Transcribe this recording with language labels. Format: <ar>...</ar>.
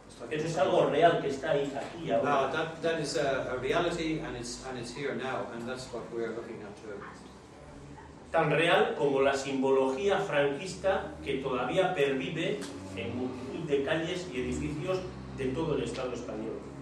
<es>Eso es algo real que está ahí, aquí, ahora.</es> <en>No, that is a reality and it's here now, and that's what we are looking at too.</en> <es>Tan real como la simbología franquista que todavía pervive en multitud de calles y edificios de todo el Estado español.</es>